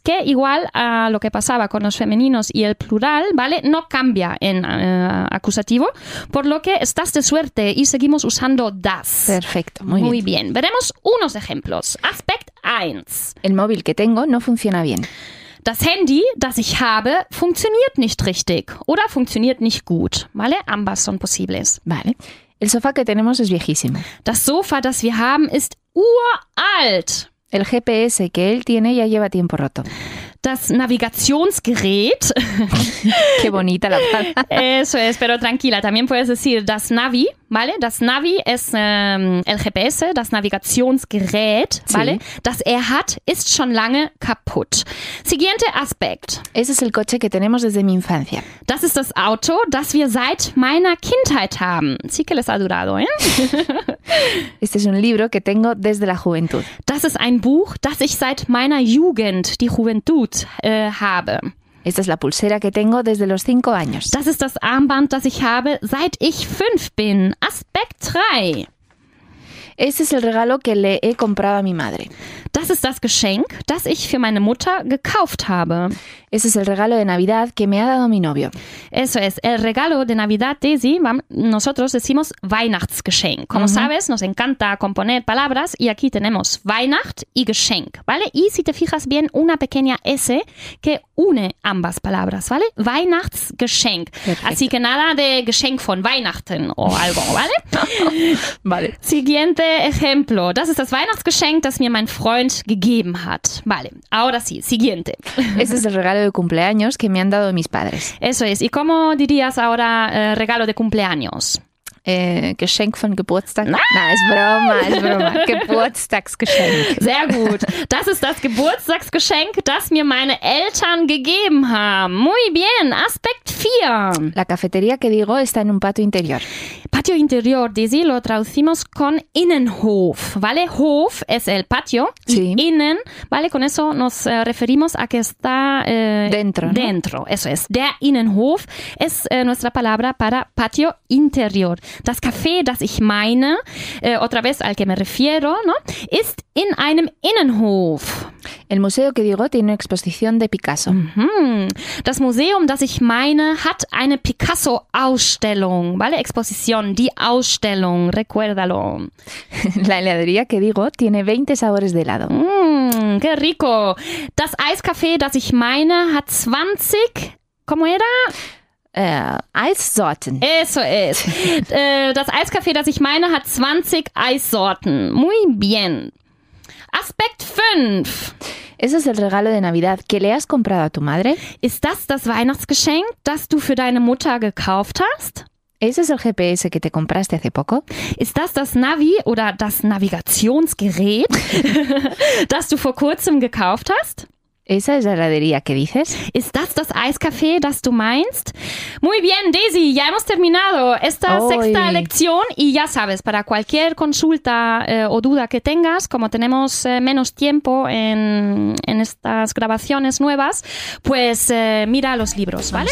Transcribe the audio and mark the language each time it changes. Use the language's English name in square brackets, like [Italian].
[Spanish] Que igual a lo que pasaba con los femeninos y el plural, ¿vale? No cambia en acusativo, por lo que estás de suerte y seguimos usando das. Perfecto, muy bien. Muy bien. Veremos unos ejemplos. Aspect 1. El móvil que tengo no funciona bien. [German] Das Handy, das ich habe, funktioniert nicht richtig oder funktioniert nicht gut. [Spanish] ¿Vale? Ambas son posibles. Vale. El sofá que tenemos es viejísimo. [German] Das Sofa, das wir haben, ist uralt. [Spanish] El GPS que él tiene ya lleva tiempo roto. [German] Das Navigationsgerät. [Spanish] Qué bonita la palabra. Eso es, pero tranquila. También puedes decir das Navi, ¿vale? Das Navi es el GPS, das Navigationsgerät, ¿vale? Sí. [German] Das er hat, ist schon lange kaputt. [Spanish] Siguiente Aspekt. Ese es el coche que tenemos desde mi infancia. [German] Das ist das Auto, das wir seit meiner Kindheit haben. [Spanish] Sí que les ha durado, ¿eh? Este es un libro que tengo desde la juventud. [German] Das ist ein Buch, das ich seit meiner Jugend, die Juventud, habe. [Spanish] Esta es la pulsera que tengo desde los 5 años. [German] Das ist das Armband, das ich habe, seit ich 5 bin. Aspekt 3. [Spanish] Este es el regalo que le he comprado a mi madre. [German] Das ist das Geschenk, das ich für meine Mutter gekauft habe. [Spanish] Este es el regalo de Navidad que me ha dado mi novio. Eso es. El regalo de Navidad, Desi, nosotros decimos Weihnachtsgeschenk. Como sabes, nos encanta componer palabras y aquí tenemos Weihnacht y Geschenk, ¿vale? Y si te fijas bien, una pequeña S que une ambas palabras, ¿vale? Weihnachtsgeschenk. Perfecto. Así que nada de [German] Geschenk von Weihnachten [Spanish] o algo, ¿vale? Vale. Siguiente ejemplo. [German] Das ist das Weihnachtsgeschenk, das mir mein Freund gegeben hat. [Spanish] Vale. Ahora sí, siguiente. Este es el regalo de cumpleaños que me han dado mis padres. Eso es. ¿Y cómo dirías ahora regalo de cumpleaños? [German] Geschenk von Geburtstag. Nein, [Spanish] es broma. Geburtstagsgeschenk. [German] Sehr gut. Das ist das Geburtstagsgeschenk, das mir meine Eltern gegeben haben. [Spanish] Muy bien. Aspekt 4. La cafetería que digo está en un patio interior. Patio interior, Daisy, lo traducimos con Innenhof, ¿vale? Hof es el patio, sí. Y innen, ¿vale? Con eso nos referimos a que está dentro, ¿no? Dentro, eso es. Der Innenhof es nuestra palabra para patio interior. [German] Das Café, das ich meine, [Spanish] otra vez al que me refiero, ¿no? [German] Ist in einem Innenhof. [Spanish] El museo que digo tiene una exposición de Picasso. Mm-hmm. [German] Das Museum, das ich meine, hat eine Picasso-Ausstellung, ¿vale? [Spanish] Exposición, die Ausstellung, recuérdalo. La heladería que digo tiene 20 sabores de helado. ¡Qué rico! [German] Das Eiscafé, das ich meine, hat 20, [Spanish] ¿cómo era? [German] Eissorten. [Spanish] Eso es. [German] Das Eiscafé, das ich meine, hat 20 Eissorten. [Spanish] Muy bien. Aspekt 5. Ese es el regalo de Navidad que le has comprado a tu madre. [German] ¿Es das Weihnachtsgeschenk, das du für deine Mutter gekauft hast? [Spanish] ¿Ese es el GPS que te compraste hace poco? [German] ¿Es das Navi oder das Navigationsgerät, das du vor kurzem gekauft hast? [Spanish] ¿Esa es la heladería que dices? [German] ¿Es das Eiscafé, das du meinst? [Spanish] Muy bien, Daisy, ya hemos terminado esta sexta lección. Y ya sabes, para cualquier consulta o duda que tengas, como tenemos menos tiempo en estas grabaciones nuevas, pues mira los libros, ¿vale?